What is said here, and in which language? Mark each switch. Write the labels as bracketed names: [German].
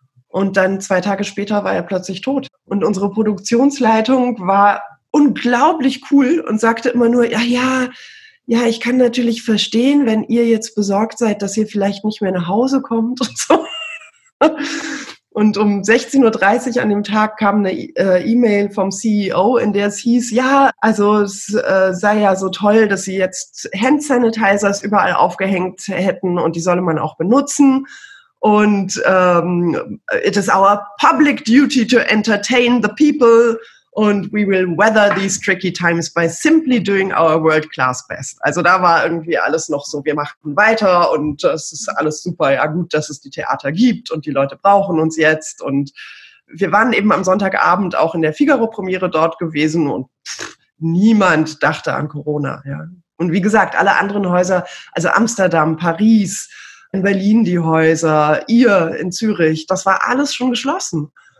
[German] Und dann 2 Tage später war er plötzlich tot. Und unsere Produktionsleitung war unglaublich cool und sagte immer nur, ja, ich kann natürlich verstehen, wenn ihr jetzt besorgt seid, dass ihr vielleicht nicht mehr nach Hause kommt und so. Und um 16.30 Uhr an dem Tag kam eine E-Mail vom CEO, in der es hieß, ja, also es sei ja so toll, dass sie jetzt Handsanitizers überall aufgehängt hätten und die solle man auch benutzen. Und [English] it is our public duty to entertain the people. [German] Und [English] we will weather these tricky times by simply doing our world class best. [German] Also da war irgendwie alles noch so, wir machen weiter und es ist alles super. Ja gut, dass es die Theater gibt und die Leute brauchen uns jetzt. Und wir waren eben am Sonntagabend auch in der Figaro-Premiere dort gewesen und niemand dachte an Corona. Ja. Und wie gesagt, alle anderen Häuser, also Amsterdam, Paris, in Berlin die Häuser, ihr in Zürich, das war alles schon geschlossen.